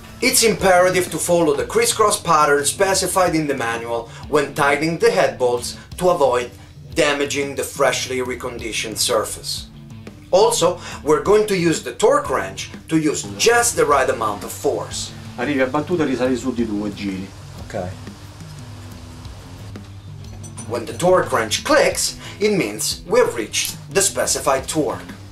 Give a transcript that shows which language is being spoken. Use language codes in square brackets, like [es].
[en] It's imperative to follow the crisscross pattern specified in the manual when tightening the head bolts to avoid damaging the freshly reconditioned surface. Also, we're going to use the torque wrench to use just the right amount of force. [it] Arrivi a battuta e risali su di due giri. Ok. [en] When the torque wrench clicks, it means we've reached the specified torque.